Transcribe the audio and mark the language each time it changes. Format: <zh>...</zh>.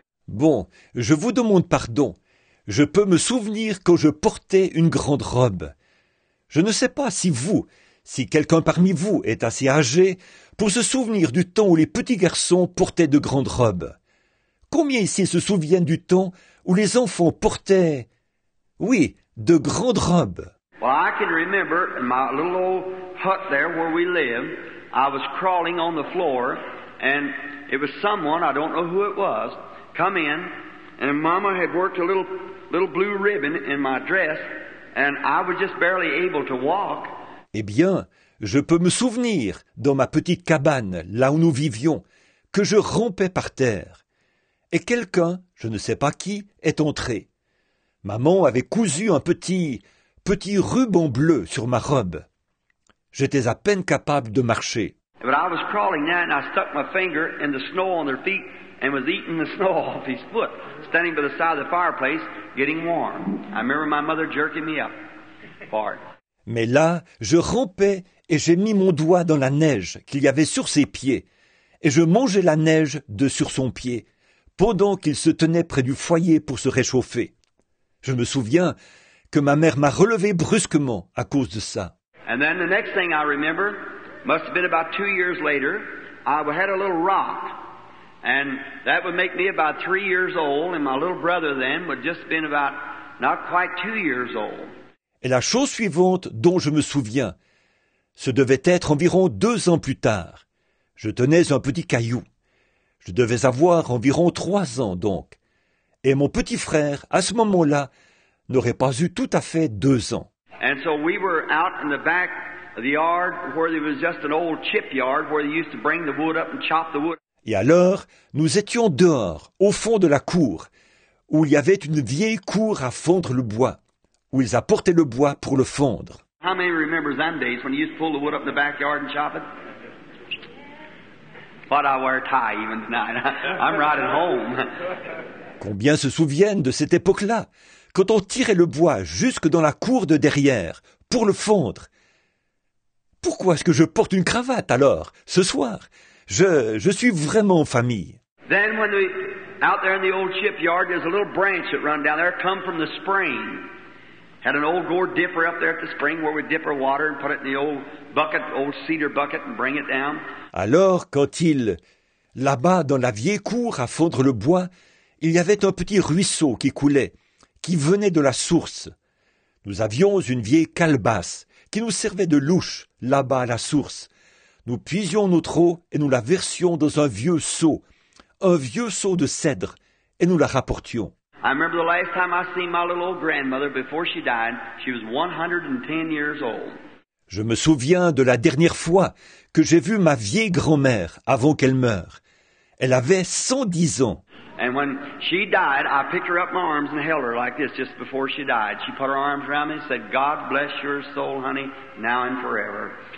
<fr>Bon, je vous demande pardon. Je peux me souvenir quand je portais une grande robe. Je ne sais pas si quelqu'un parmi vous est assez âgé pour se souvenir du temps où les petits garçons portaient de grandes robes. Combien ici se souviennent du temps où les enfants portaient, oui, de grandes robes?</fr> <en>Well, I can remember in my little old hut there where we live, I was crawling on the floor and it was someone, I don't know who it was, come in. And Mama had worked a little blue ribbon in my dress, and I was just barely able to walk.</en> <fr>Eh bien, je peux me souvenir, dans ma petite cabane, là où nous vivions, que je rampais par terre. Et quelqu'un, je ne sais pas qui, est entré. Maman avait cousu un petit ruban bleu sur ma robe. J'étais à peine capable de marcher.</fr> <en>But I was crawling down, and I stuck my finger in the snow on their feet and was eating the snow off his foot, standing by the side of the fireplace, getting warm. I remember my mother jerking me up for it.</en> <fr>Mais là, je rampais et j'ai mis mon doigt dans la neige qu'il y avait sur ses pieds, et je mangeais la neige de sur son pied, pendant qu'il se tenait près du foyer pour se réchauffer. Je me souviens que ma mère m'a relevé brusquement à cause de ça.</fr> <en>And then the next thing I remember must have been about 2 years later, I had a little rock, and that would make me about 3 years old, and my little brother then would just been about not quite 2 years old.</en> <fr>Et la chose suivante dont je me souviens, ce devait être environ 2 ans plus tard. Je tenais un petit caillou. Je devais avoir environ 3 ans donc. Et mon petit frère, à ce moment-là, n'aurait pas eu tout à fait 2 ans.</fr> <en>And so we were out in the back of the yard where there was just an old chip yard where they used to bring the wood up and chop the wood.</en> <fr>Et alors, nous étions dehors, au fond de la cour, où il y avait une vieille cour à fondre le bois, où ils apportaient le bois pour le fondre.</fr> <en>How many remember them days when you used to pull the wood up in the backyard and chop it? But I wear a tie even tonight. I'm riding home.</en> <fr>Combien se souviennent de cette époque-là, quand on tirait le bois jusque dans la cour de derrière, pour le fondre? Pourquoi est-ce que je porte une cravate alors, ce soir? Je suis vraiment en famille.</fr> <en>Then when we, out there in the old shipyard, there's a little branch that run down there, come from the spring. Had an old gourd dipper up there at the spring where we dip our water and put it in the old bucket, old cedar bucket, and bring it down.</en> <fr>Alors, quand il, là-bas dans la vieille cour à fondre le bois, il y avait un petit ruisseau qui coulait, qui venait de la source. Nous avions une vieille calebasse qui nous servait de louche là-bas à la source. Nous puisions notre eau et nous la versions dans un vieux seau de cèdre, et nous la rapportions.</fr> <en>I remember the last time I seen my little old grandmother before she died, she was 110 years old.</en> <fr>Je me souviens de la dernière fois que j'ai vu ma vieille grand-mère avant qu'elle meure. Elle avait 110 ans.</fr> <en>And when she died, I picked her up in my arms and held her like this just before she died. She put her arms around me and said, God bless your soul, honey, now and forever.</en>